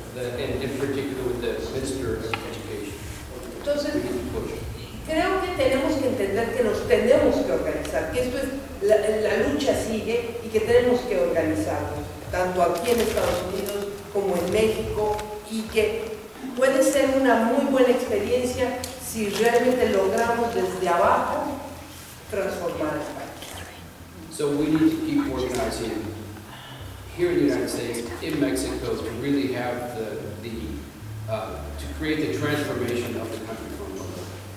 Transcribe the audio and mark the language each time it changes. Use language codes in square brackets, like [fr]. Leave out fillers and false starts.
[en] and in particular with the minister of education. [es] Entonces, creo que tenemos que entender que nos tenemos que organizar, que esto es la lucha sigue y que tenemos que organizarnos tanto aquí en Estados Unidos como en México, y que puede ser una muy buena experiencia si realmente logramos desde abajo transformar el país. [en] So we need to keep organizing here in the United States, in Mexico, to really have to create the transformation of the country from above.